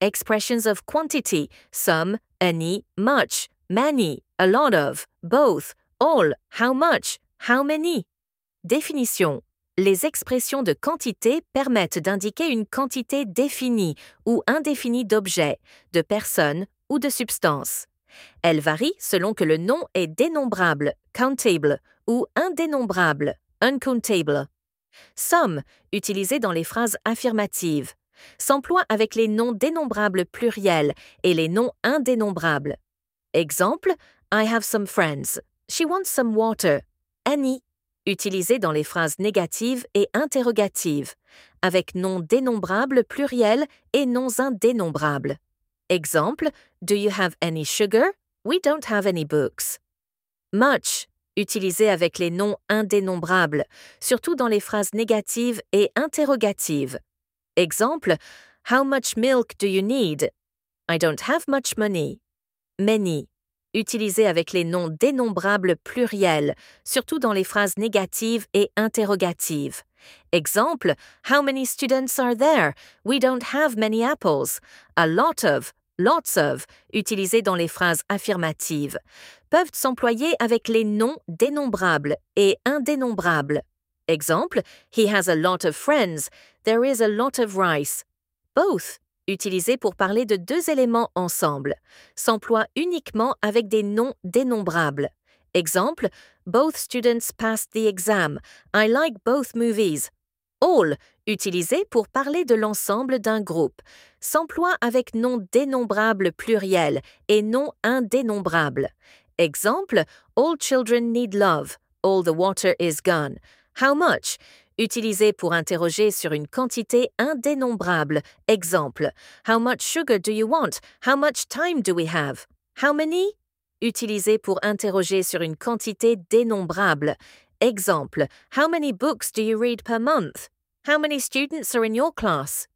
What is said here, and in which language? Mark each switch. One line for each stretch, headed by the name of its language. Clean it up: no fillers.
English: expressions of quantity, some, any, much, many, a lot of, both, all, how much, how many.
French: Définition. Les expressions de quantité permettent d'indiquer une quantité définie ou indéfinie d'objets, de personnes ou de substances. Elles varient selon que le nom est dénombrable, countable, ou indénombrable, uncountable. Some, utilisé dans les phrases affirmatives, s'emploie avec les noms dénombrables pluriels et les noms indénombrables.
English: Exemple, I have some friends. She wants some water.
French: Annie, utilisé dans les phrases négatives et interrogatives, avec noms dénombrables pluriels et noms indénombrables.
English: Exemple, do you have any sugar? We don't have any books.
French: Much, utilisé avec les noms indénombrables, surtout dans les phrases négatives et interrogatives.
English: Exemple, how much milk do you need? I don't have much money.
French: Many, utilisé avec les noms dénombrables pluriels, surtout dans les phrases négatives et interrogatives.
English: Exemple, how many students are there? We don't have many apples.
French: A lot of, lots of, utilisés dans les phrases affirmatives, peuvent s'employer avec les noms dénombrables et indénombrables.
English: Exemple, he has a lot of friends. There is a lot of rice.
French: Both, utilisé pour parler de deux éléments ensemble, s'emploie uniquement avec des noms dénombrables.
English: Exemple, both students passed the exam. I like both movies.
French: All, utilisé pour parler de l'ensemble d'un groupe, s'emploie avec noms dénombrables pluriels et noms indénombrables.
English: Exemple, all children need love. All the water is gone. How much?
French: Utilisé pour interroger sur une quantité indénombrable.
English: Exemple, how much sugar do you want? How much time do we have? How many?
French: Utilisé pour interroger sur une quantité dénombrable.
English: Exemple, how many books do you read per month? How many students are in your class?